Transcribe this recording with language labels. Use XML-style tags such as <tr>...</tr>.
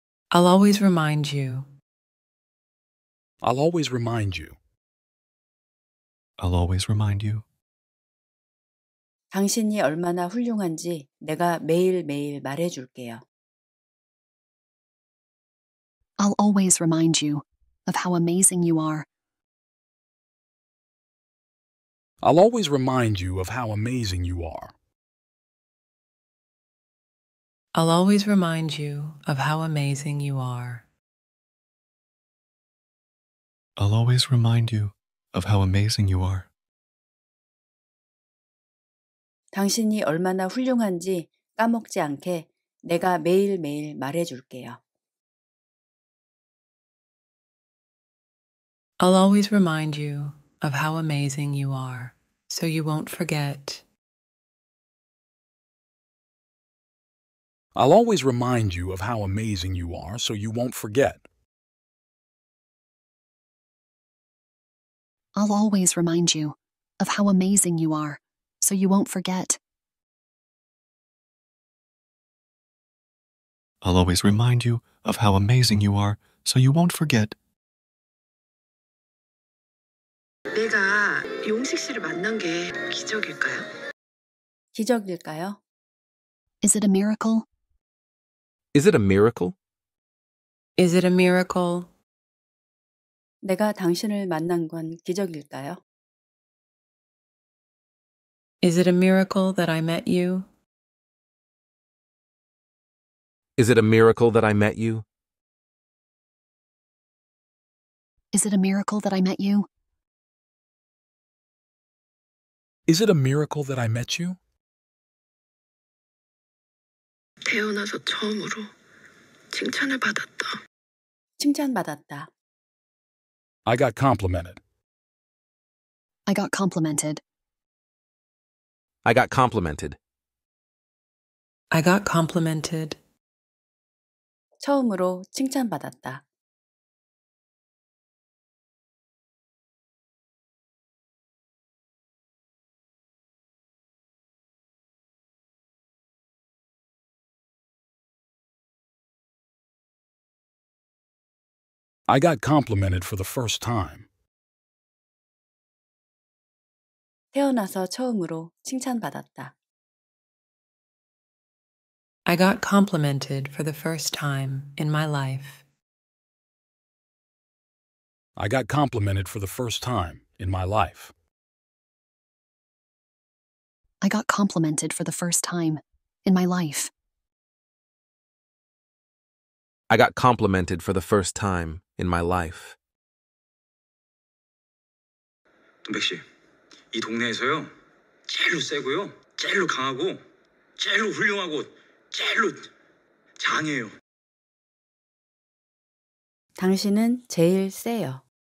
<en>I'll always remind you. I'll always remind you. I'll always remind you.</en> <ko>당신이 얼마나 훌륭한지 내가 매일매일 말해줄게요.</ko> <en>I'll always remind you of how amazing you are. I'll always remind you of how amazing you are. I'll always remind you of how amazing you are. I'll always remind you of how amazing you are.</en> <ko>당신이 얼마나 훌륭한지 까먹지 않게 내가 매일매일 말해줄게요.</ko> <en>I'll always remind you of how amazing you are, so you won't forget. I'll always remind you of how amazing you are, so you won't forget. I'll always remind you of how amazing you are, so you won't forget. I'll always remind you of how amazing you are, so you won't forget.</en> <ko>내가 용식 씨를 만난 게 기적일까요? 기적일까요?</ko> <en>Is it a miracle? Is it a miracle? Is it a miracle?</en> <ko>내가 당신을 만난 건 기적일까요?</ko> <en>Is it a miracle that I met you? Is it a miracle that I met you? Is it a miracle that I met you? Is it a miracle that I met you?</en> <ko>태어나서 처음으로 칭찬을 받았다. 칭찬받았다.</ko> <en>I got complimented. I got complimented. I got complimented. I got complimented.</en> <ko>처음으로 칭찬받았다.</ko> <en>I got complimented for the first time.</en> <ko>태어나서 처음으로 칭찬받았다.</ko> <en>I got complimented for the first time in my life. I got complimented for the first time in my life. I got complimented for the first time in my life. I got complimented for the first time in my life.</en> <ko>동백 씨, 이 동네에서요, 제일로 세고요, 제일로 강하고, 제일로 훌륭하고, 제일로 장해요. 당신은 제일 세요.</ko>